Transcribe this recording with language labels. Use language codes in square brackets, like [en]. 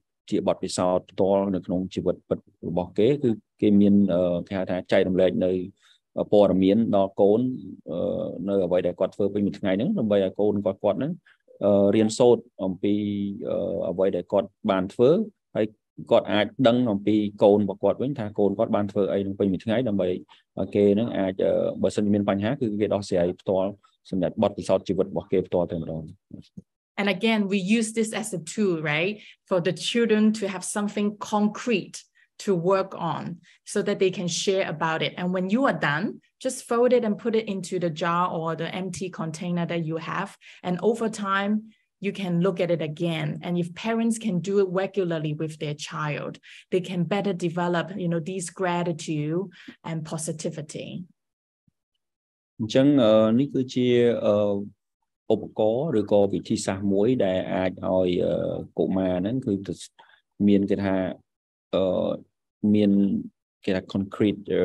[km] ជាបទពិសោធន៍ផ្ទាល់នៅក្នុងជីវិតពិតរបស់គេគឺគេមានគេហៅថាចែករំលែកនៅព័ត៌មានដល់កូននៅអ្វីដែលគាត់ធ្វើពេញមួយថ្ងៃហ្នឹងដើម្បីឲ្យកូនគាត់នឹងរៀនសូត្រអំពីអ្វីដែលគាត់បានធ្វើហើយគាត់អាចដឹងអំពីកូនរបស់គាត់វិញថាកូនគាត់បានធ្វើអីនឹងពេញមួយថ្ងៃដើម្បីគេនឹងអាចបើសិនជាមានបញ្ហាគឺវាដោះស្រាយផ្ទាល់សម្រាប់បទពិសោធន៍ជីវិតរបស់គេផ្ទាល់តែម្ដង [en] And again we use this as a tool right for the children to have something concrete to work on so that they can share about it and when you are done just fold it and put it into the jar or the empty container that you have and over timeyou can look at it again and if parents can do it regularly with their child they can better develop you know these gratitude and positivity [km] អញ្ចឹងនេះគឺជាឧបករណ៍ឬក៏វិធីសាស្ត្រមួយដែលអាចឲ្យកុមារហ្នឹងគឺមានគេថាមានគេថា concrete